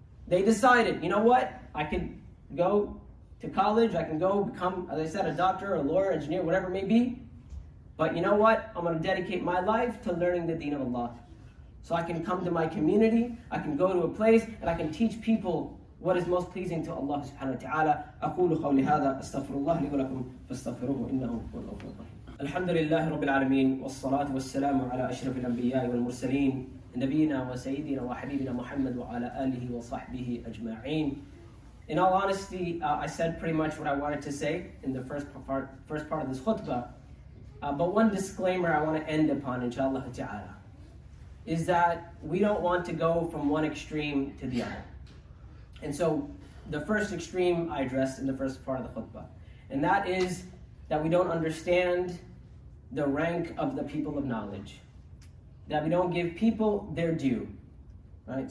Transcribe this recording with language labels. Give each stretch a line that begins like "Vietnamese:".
English: They decided, you know what? I could go to college, I can go become, as I said, a doctor, a lawyer, engineer, whatever it may be. But you know what? I'm going to dedicate my life to learning the deen of Allah. So I can come to my community, I can go to a place, and I can teach people what is most pleasing to Allah subhanahu wa ta'ala.
Arabic: أَقُولُ خَوْلِ هَذَا أَسْتَغْفِرُ اللَّهِ لِكُلَكُمْ فَاسْتَغْفِرُهُ إِنَّهُ هُوَ الْغَفُورُ الرَّحِيمُ الحمد لله رب العالمين والصلاة والسلام على أشرف الأنبياء والمرسلين نبينا وسيدنا وحبيبنا محمد وعلى آله وصحبه أجمعين.
English: In all honesty, I said pretty much what I wanted to say in the first part of this khutbah. But one disclaimer I want to end upon, inshallah ta'ala, is that we don't want to go from one extreme to the other. And so the first extreme I addressed in the first part of the khutbah, and that is that we don't understand the rank of the people of knowledge, that we don't give people their due, right?